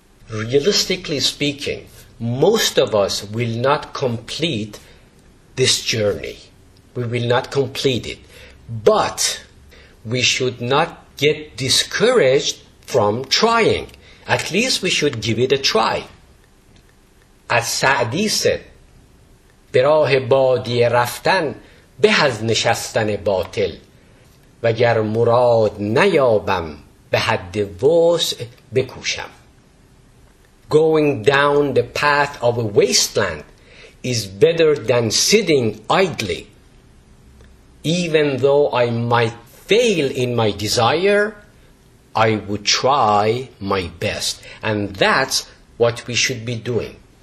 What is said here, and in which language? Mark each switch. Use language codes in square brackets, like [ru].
[en] Realistically speaking, most of us will not complete this journey. We will not complete it. But we should not get discouraged from trying. At least we should give it a try. [fa] As Sa'di said, براه بادی رفتن به از نشستن باطل وگر مراد نیابم به حد وسع بکوشم. [en] Going down the path of a wasteland is better than sitting idly. Even though I might fail in my desire, I would try my best. And that's what we should be doing.